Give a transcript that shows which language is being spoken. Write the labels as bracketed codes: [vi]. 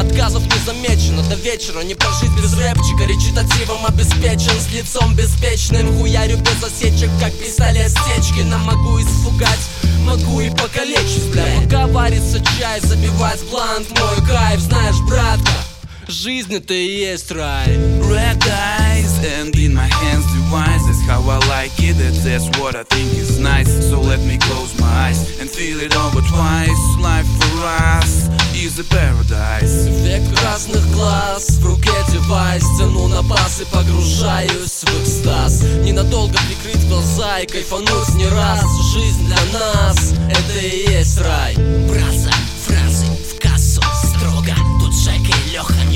[ru] Отказов не замечено, до вечера не прожить без рэпчика. Речитативом обеспечен, с лицом беспечным. Хуярю без засечек, как пистолет стечки. На могу испугать, могу и покалечить, блядь. Пока варится чай, забивать блант, мой кайф, знаешь, братка, жизнь это и есть рай. [en] Red eyes and in my hands devices. How I like it, that's what I think is nice. So let me close my eyes and feel it over twice. Life for us is a paradise. [ru] Век красных глаз, в руке девайс. Тяну на бас и погружаюсь в экстаз. Ненадолго прикрыть глаза и кайфануть не раз. Жизнь для нас, это и есть рай. Браза, фразы в кассу, строго. Тут Жека и Леха.